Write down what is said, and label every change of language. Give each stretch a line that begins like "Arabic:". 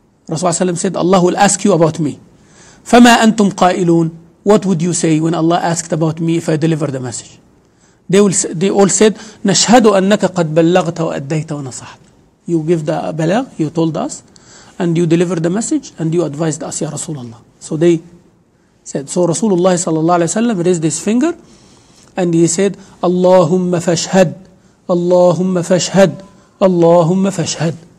English: Rasulullah said, Allah will ask you about me.
Arabic: فَمَا أَنْتُمْ قَائِلُونَ.
English: What would you say when Allah asked about me if I deliver the message? They all said,
Arabic: نَشْهَدُ أَنَّكَ قَدْ بَلَّغْتَ وَأَدَّيْتَ وَنَصَحْتَ.
English: You give the balag, you told us, and you delivered the message, and you advised us, Ya Rasulullah. So they said, so Rasulullah sallallahu alayhi wa sallam raised his finger, and he said,
Arabic: اللَّهُمَّ فَشْهَدْ. اللَّهُمَّ فَشْهَدْ. اللَّهُمَّ فَشْهَدْ.